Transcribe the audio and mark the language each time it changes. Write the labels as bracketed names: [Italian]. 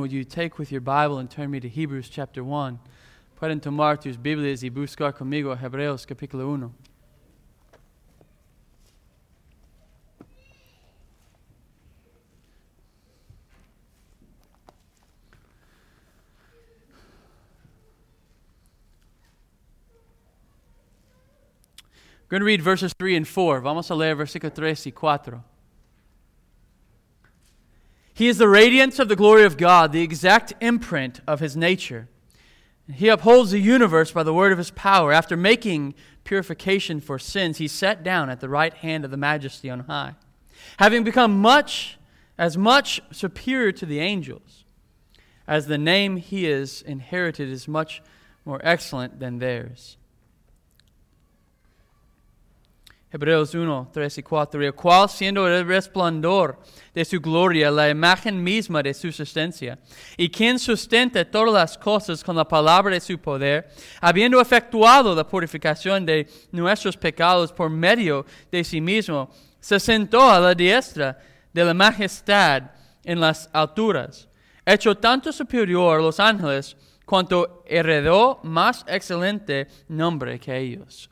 [English] Would you take with your Bible and turn me to Hebrews chapter 1. [Spanish] Pueden tomar tus Biblias y buscar conmigo Hebreos capítulo 1. [English] We're going to read verses 3 and 4. [Spanish] Vamos a leer versículos 3 y 4. [English] He is the radiance of the glory of God, the exact imprint of His nature. He upholds the universe by the word of His power. After making purification for sins, He sat down at the right hand of the Majesty on high, having become as much superior to the angels, as the name He has inherited is much more excellent than theirs. [Spanish] Hebreos 1, 3 y 4, el cual siendo el resplandor de su gloria, la imagen misma de su sustancia, y quien sustenta todas las cosas con la palabra de su poder, habiendo efectuado la purificación de nuestros pecados por medio de sí mismo, se sentó a la diestra de la majestad en las alturas, hecho tanto superior a los ángeles, cuanto heredó más excelente nombre que ellos.